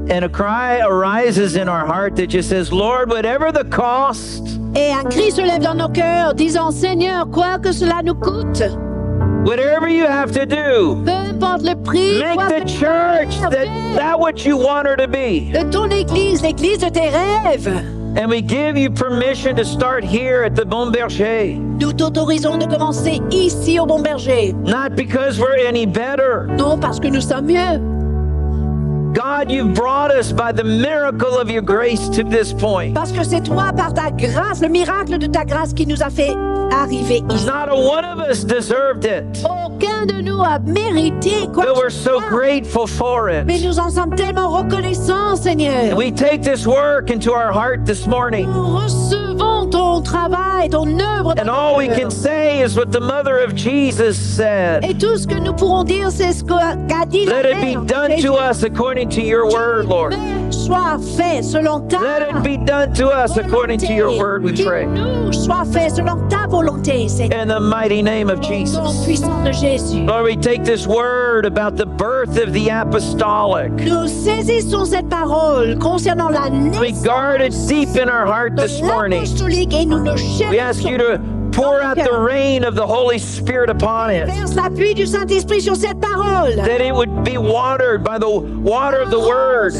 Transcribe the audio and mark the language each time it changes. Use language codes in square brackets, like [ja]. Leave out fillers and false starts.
[en] And a cry arises in our heart that just says, Lord, whatever the cost. [fr] Et un cri se lève dans nos cœurs, disant, Seigneur, quoi que cela nous coûte. [en] Whatever you have to do. [fr] Peu importe le prix. [en] Make the church that what you want her to be. [fr] De ton église, l'église de tes rêves. [en] And we give you permission to start here at the Bon Berger. [fr] Nous t'autorisons de commencer ici au Bon Berger. [en] Not because we're any better. [fr] Non, parce que nous sommes mieux. [en] God, you've brought us by the miracle of your grace to this point. [fr] Parce que c'est toi par ta grâce, le miracle de ta grâce qui nous a fait arriver ici. [en] Not a one of us deserved it. [fr] Aucun de nous a mérité quoi que ce soit. [en] But we're so grateful for it. [fr] Mais nous en sommes tellement reconnaissants, Seigneur. [en] We take this work into our heart this morning. [fr] Ton travail, ton œuvre. [en] And all we can say is what the mother of Jesus said. [fr] Et tout ce que nous pourrons dire, c'est ce qu'a dit la mère. [en] Let it be done to us according to your word, Lord. [fr] Soit fait selon ta volonté. [en] Let it be done to us according to your word, we pray. [fr] Soit fait selon ta volonté, Seigneur. [en] In the mighty name of Jesus. [fr] Au nom puissant de Jésus. [en] Lord, we take this word about the birth of the apostolic. [fr] Nous saisissons cette parole concernant la naissance. [en] We guard it deep in our heart this morning. We ask you to pour out the rain of the Holy Spirit upon it. [fr] Verse la pluie du Saint-Esprit sur cette parole. [en] That it would be watered by the water of the Word.